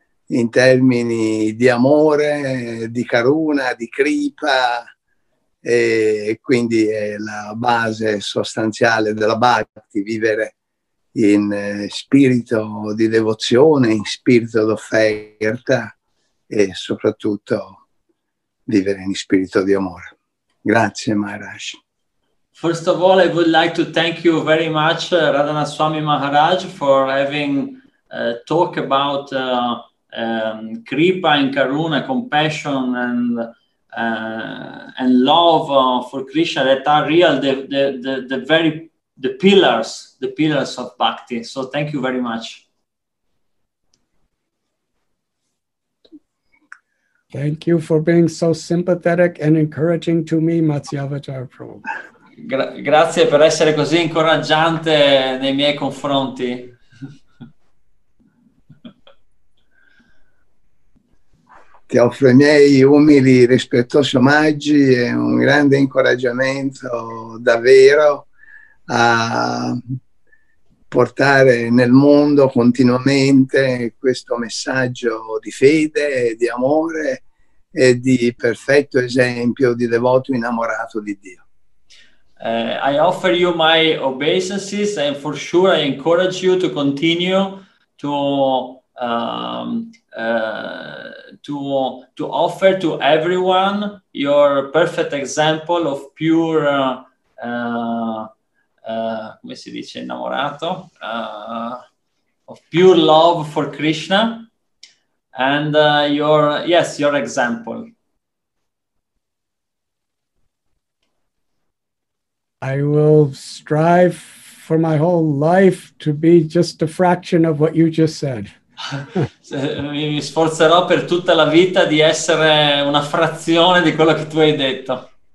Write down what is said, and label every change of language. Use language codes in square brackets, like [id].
[it] in termini di amore, di karuna, di kripa, e quindi è la base sostanziale della Bhakti, vivere in spirito di devozione, in spirito d'offerta e soprattutto vivere in spirito di amore. Grazie, Maharaj. [en] First of all, I would like to thank you very much, Radhanath Swami Maharaj, for having talked about kripa and karuna, compassion and love for Krishna, that are real, the pillars of bhakti. So thank you very much. Thank you for being so sympathetic and encouraging to me, Matsyavatar Prabhu. [it] Grazie per essere così incoraggiante nei miei confronti. Ti offro i miei umili, rispettosi omaggi e un grande incoraggiamento davvero a portare nel mondo continuamente questo messaggio di fede, di amore e di perfetto esempio di devoto innamorato di Dio. [en] I offer you my obeisances and for sure I encourage you to continue to offer to everyone your perfect example of pure [it] come si dice innamorato [en] of pure love for Krishna and your example. I will strive for my whole life to be just a fraction of what you just said. [it] Mi sforzerò per tutta la vita di essere una frazione di quello che tu hai detto.